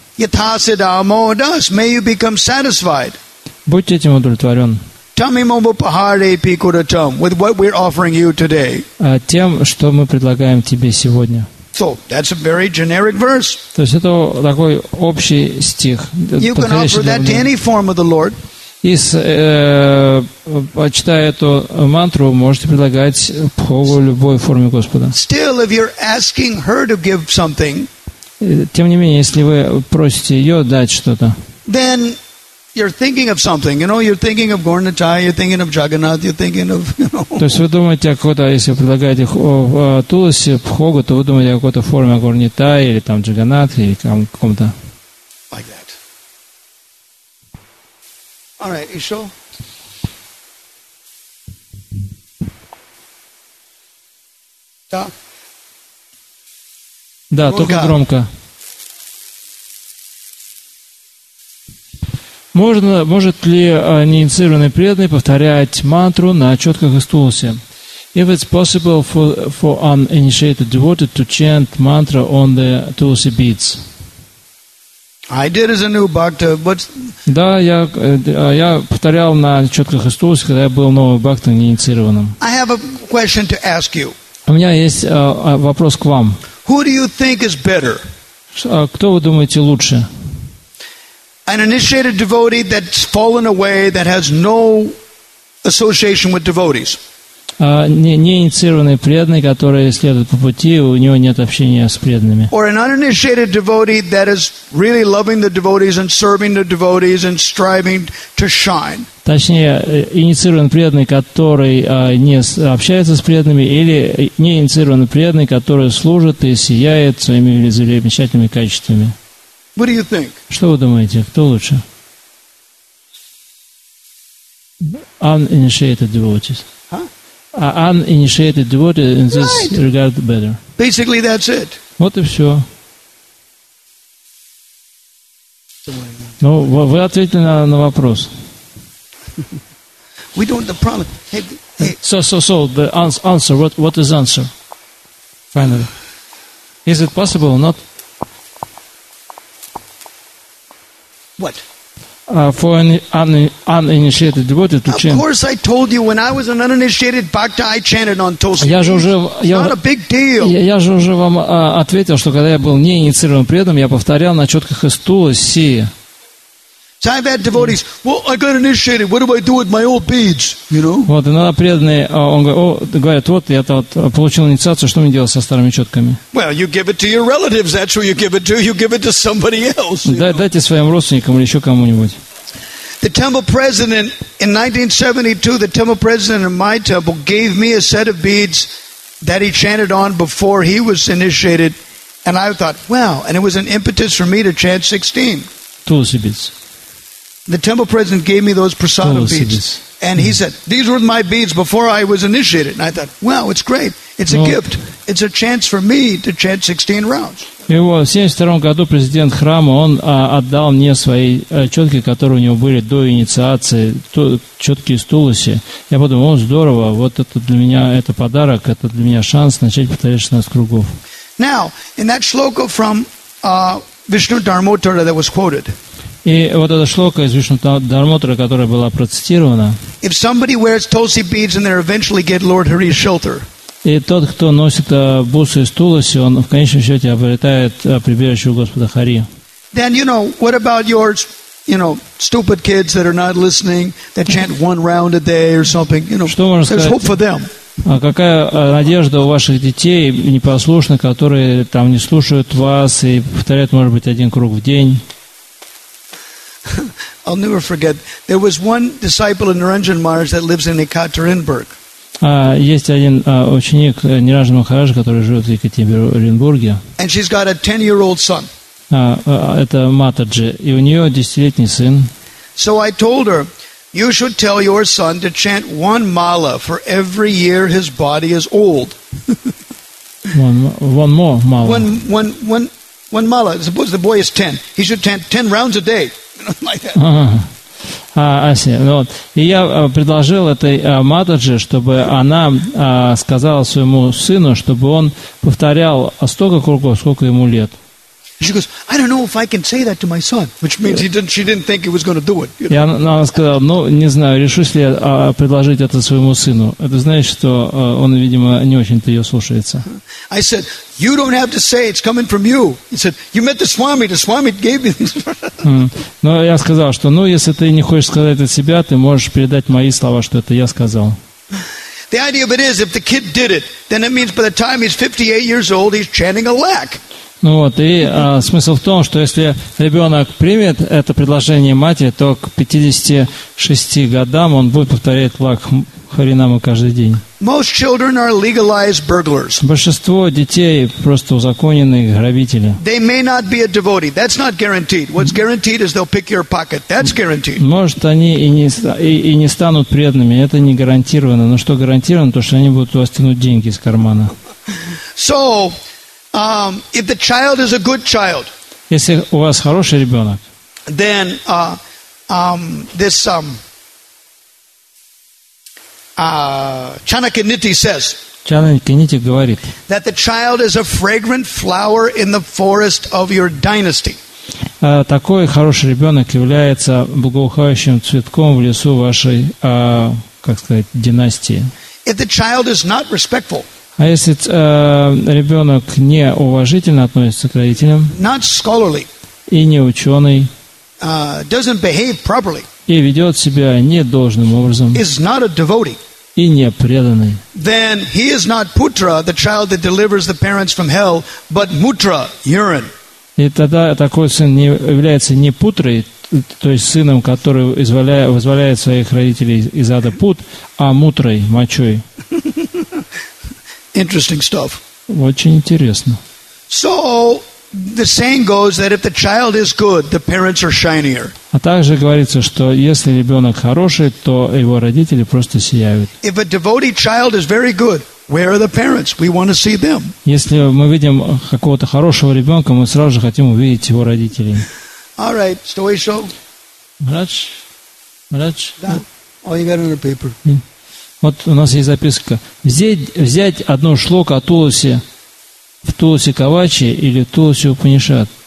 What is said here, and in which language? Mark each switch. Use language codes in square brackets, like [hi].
[ru] Будьте этим удовлетворен. [en] With what we're offering you today. [ru] Тем, что мы предлагаем тебе сегодня. [en] So, that's a very generic verse. [ru] То есть это такой общий стих. [en] You can offer that to any form of the Lord. [ru] И, читая эту мантру, можете предлагать по любой форме Господа. [en] Still, if you're asking her to give something, [ru] тем не менее, если вы просите ее дать что-то, [en] then you're thinking of something. You know, you're thinking of Gornatai, you're thinking of Jagannath, you're thinking of, you know. [ru] То есть вы думаете о какой-то, если вы предлагаете Туласи, Пхогу, то вы думаете о какой-то форме Горнитай или там Джаганнат, или каком-то. [en] Like that. All right, Isho. [ru] Да? Да, только громко. Может ли неинициированный преданный повторять мантру на четках из туласи? [en] If it's possible for an initiated devotee to chant mantra on the tulsi beads. I did as a new bhakta, but... [ru] Да, я повторял на четках из туласи, когда я был новым бхактой неинициированным. [en] I have a question to ask you. [ru] У меня есть вопрос к вам. [en] Who do you think is better? [ru] Кто вы думаете лучше? [en] An initiated devotee that's fallen away, that has no association with devotees. [ru] Неинициированный преданный, который следует по пути, у него нет общения с преданными. [en] Or an uninitiated devotee that is really loving the devotees and serving the devotees and striving to shine. [ru] Точнее, инициированный преданный, который не общается с преданными, или неинициированный преданный, который служит и сияет своими замечательными качествами. [en] What do you think? [ru] Что вы думаете, кто лучше? [en] Uninitiated devotees. Huh? Uninitiated devotees in this right. regard better. Basically, that's it. [ru] Вот и все. Ну, вы ответили на вопрос. [en] We don't the problem. Hey. So the answer. What is answer? Finally, is it possible or not? What? For an uninitiated devotee to chant. Of course, I told you when I was an uninitiated bhakta, I chanted on tulsi beads. It's not a big deal. [ru] Я же уже вам ответил, что когда я был неинициированным преданным, я повторял на четках из туласи. [en] So I've had devotees. Well, I got initiated. What do I do with my old beads? You know. [ru] Вот иногда преданные, он говорит, вот я получил инициацию, что мне делать со старыми четками? [en] Well, you give it to your relatives. That's who you give it to. You give it to somebody else. [ru] Дайте своим родственникам или еще кому-нибудь. [en] The temple president in 1972, the temple president of my temple gave me a set of beads that he chanted on before he was initiated, and I thought, wow, and it was an impetus for me to chant 16. Tulsi beads. The temple president gave me those prasada beads. And he said, these were my beads before I was initiated. And I thought, wow, it's great. It's a gift. It's a chance for me to chant 16 rounds. [ru] И вот в 72-м году президент храма, он отдал мне свои четки, которые у него были до инициации, четки из Туласи. Я подумал, о, здорово, вот это для меня, это подарок, это для меня шанс начать повторять 16 кругов. [en] Now, in that shloka from Vishnu Dharmottara that was quoted, [ru] и вот эта шлока из Вишну Дармотра, которая была процитирована. [en] If somebody wears tulsi beads and they eventually get Lord Hari's shelter. [ru] И тот, кто носит бусы из туласи, он в конечном счете обретает прибежище у Господа Хари. [en] Then you know what about your, you know, stupid kids that are not listening, that chant one round a day or something? You know, [ru] что можно сказать? [en] There's hope for them. [ru] А какая надежда у ваших детей непослушных, которые там не слушают вас и повторяют, может быть, один круг в день? [en] I'll never forget. There was one disciple in Niranjan Maharaj that lives in Ekaterinburg. [ru] Есть один ученик Ниранджан Махарадж, который живет в Екатеринбурге. [en] And she's got a 10-year-old son. [ru] Это Матаджи, и у нее 10-летний сын. [en] So I told her, you should tell your son to chant one mala for every year his body is old. one more mala. One mala. Suppose the boy is 10. He should chant 10 rounds a day. Like that. [ru] Вот. И я предложил этой матерже, чтобы она сказала своему сыну, чтобы он повторял столько кругов, сколько ему лет. [en] She goes, I don't know if I can say that to my son, which means she didn't think he was going to do it. [ru] Я, она сказала, ну, не знаю, решусь ли я предложить это своему сыну. Это значит, что он, видимо, не очень-то ее слушается. [en] I said, you don't have to say it's coming from you. He said, you met the Swami gave me this. [ru] Но я сказал, что, ну, если ты не хочешь сказать это себя, ты можешь передать мои слова, что это я сказал. [en] The idea of it is, if the kid did it, then it means by the time he's 58 years old, he's chanting a lakh. [ru] Ну вот, и смысл в том, что если ребенок примет это предложение матери, то к 56 годам он будет повторять лак Харинаму каждый день. [en] Most children are legalized burglars. [ru] Большинство детей просто узаконенные грабители. [en] They may not be a devotee. That's not guaranteed. What's guaranteed is they'll pick your pocket. That's guaranteed. [ru] Может, они и не станут преданными. Это не гарантировано. Но что гарантировано, то что они будут у вас тянуть деньги из кармана. [en] So, if the child is a good child, [ru] если у вас хороший ребенок, [en] then Chanakya Niti [ru] говорит, [en] that the child is a fragrant flower in the forest of your dynasty. [ru] Такой хороший ребенок является благоухающим цветком в лесу вашей, как сказать, династии. [en] If the child is not respectful. [ru] А если ребенок неуважительно относится к родителям, [en] not scholarly, [ru] и не ученый, [en] doesn't behave properly, [ru] и ведет себя не должным образом, [en] is not a devotee, [ru] и не преданный, [en] then he is not putra, the child that delivers the parents from hell, but mutra, urine. [ru] И тогда такой сын не является не путрой, то есть сыном, который вызволяет своих родителей из ада пут, а мутрой, мочой. [en] Interesting stuff. [ru] Очень интересно. [en] So the saying goes that if the child is good, the parents are shinier. [ru] А также говорится, что если ребенок хороший, то его родители просто сияют. [en] If a devotee child is very good, where are the parents? We want to see them. [ru] Если мы видим какого-то хорошего ребенка, мы сразу же хотим увидеть его родителей. [en] All right, story show. [ru] Врач. [en] Да. All you got on the paper. [ru] Вот у нас есть записка. Взять одну шлоку о Туласе в Туласе Кавачи или Туласе Упанишат.